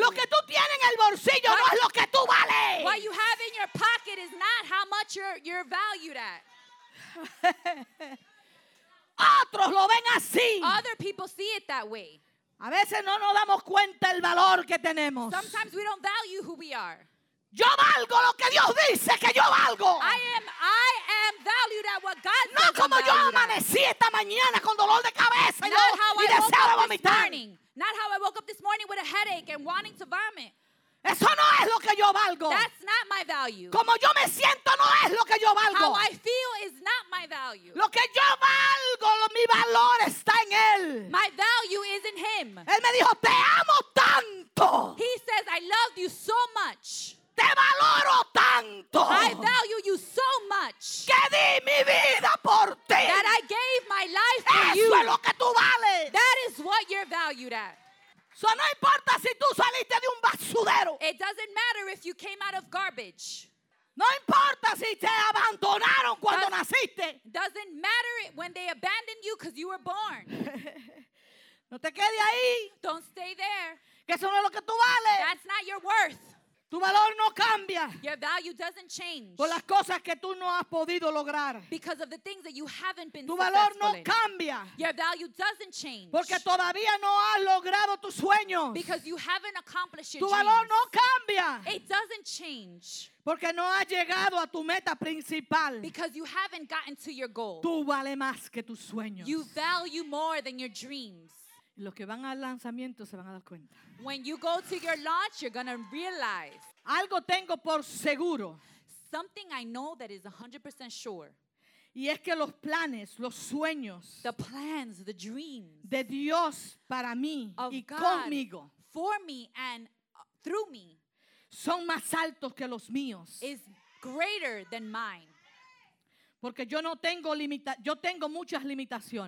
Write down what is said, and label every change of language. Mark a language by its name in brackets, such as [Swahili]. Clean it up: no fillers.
[Spanish] Lo que tú tienes en el bolsillo no es lo que tú vales. [English] What you have in your pocket is not how much you're valued at. [Spanish] Otros lo ven así. [English] Other people see it that way. [Spanish] A veces no nos damos cuenta el valor que tenemos. [English] Sometimes we don't value who we are. [Spanish] Yo valgo lo que Dios dice que yo valgo. [English] I am valued at what God [Spanish] no [English] says. [Spanish] No como yo amanecí esta mañana con dolor de cabeza y deseaba vomitar. [English] Not how I woke up this morning with a headache and wanting to vomit. [Spanish] Eso no es lo que yo valgo. [English] That's not my value. [Spanish] Como yo me siento no es lo que yo valgo. [English] How I feel is not my value. [Spanish] Lo que yo valgo, mi valor está en él. [English] My value is in him. [Spanish] Él me dijo, te amo tanto. [English] He says, I love you so much. [Spanish] Te valoro tanto. [English] I value you so much. [Spanish] Que di mi vida por ti. [English] That I gave my life [Spanish] eso [English] for you. [Spanish] Eso es lo que tú vales. [English] That is what you're valued at. [Spanish] So no importa si tú saliste de un basurero. [English] It doesn't matter if you came out of garbage. [Spanish] No importa si te abandonaron cuando naciste. [English] Doesn't matter when they abandoned you because you were born. [Spanish] No te quedes ahí. [English] Don't stay there. [Spanish] Que eso no es lo que tú vales. [English] That's not your worth. [Spanish] Tu valor no cambia. [English] Your value doesn't change. [Spanish] Por las cosas que tú no has podido lograr. [English] Because of the things that you haven't been successful in. [Spanish] Tu valor no cambia. [English] Your value doesn't change. [Spanish] Porque todavía no has logrado tus sueños. [English] Because you haven't accomplished your dreams. [Spanish] Tu valor no cambia. [English] It doesn't change. [Spanish] Porque no has llegado a tu meta principal. [English] Because you haven't gotten to your goal. [Spanish] Tú vales más que tus sueños. [English] You value more than your dreams. [Spanish] Los que van al lanzamiento se van a dar cuenta. [English] When you go to your launch, you're going to realize. [Spanish] Algo tengo por seguro. [English] Something I know that is 100% sure. [Spanish] Y es que los planes, los sueños. [English] The plans, the dreams. [Spanish] De Dios para mí [English] of [Spanish] y [English] God [Spanish] conmigo. [English] For me and through me. [Spanish] Son más altos que los míos. [English] Is greater than mine. [Spanish] Porque yo no tengo yo tengo muchas limitaciones.